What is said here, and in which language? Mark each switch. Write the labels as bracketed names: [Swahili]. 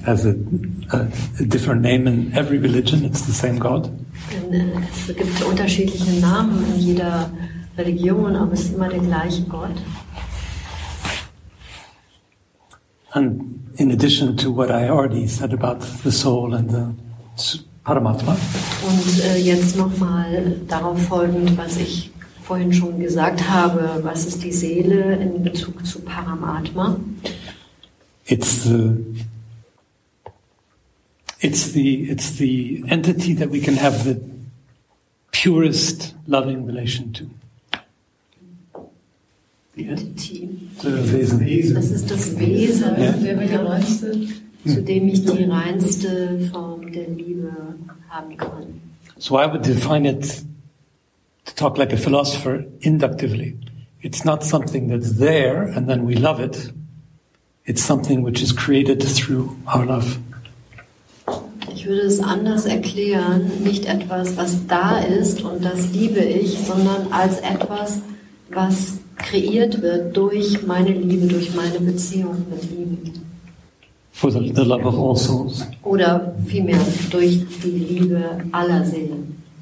[English] Has a different name in every religion, it's the same God. [German] Es gibt unterschiedliche Namen in jeder Religion, aber es ist immer der gleiche Gott. [English] And in addition to what I already said about the soul and the Paramatma. [German] Und jetzt nochmal darauf folgend, was ich vorhin schon gesagt habe, was ist die Seele in Bezug zu Paramatma? [English] It's the entity that we can have the purest loving relation to. The entity. [German] So, das Wesen. Das ist das Wesen. [English] Yeah. [German] Wer wir erleuchtet. zu dem ich die reinste Form der Liebe haben kann. [English] So I would define it, to talk like a philosopher, inductively. It's not something that's there and then we love it. It's something which is created through our love. [German] Ich würde es anders erklären, nicht etwas, was da ist und das liebe ich, sondern als etwas, was kreiert wird durch meine Liebe, durch meine Beziehung mit ihm. [English] For the love of all souls. [German] Oder vielmehr durch die Liebe aller Seelen.